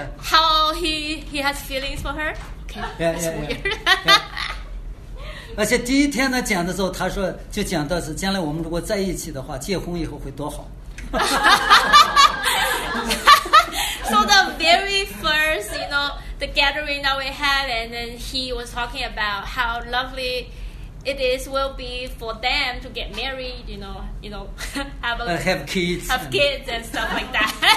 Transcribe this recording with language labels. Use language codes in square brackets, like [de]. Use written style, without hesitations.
[en] how he has feelings for her. Okay. Yeah, that's weird. Yeah. [zh] 而且第一天呢讲的时候，他说就讲到是将来我们如果在一起的话，结婚以后会多好。 [en] So the very first, you know, the gathering that we had, and then he was talking about how lovely it is will be for them to get married, you know, have kids and stuff like that.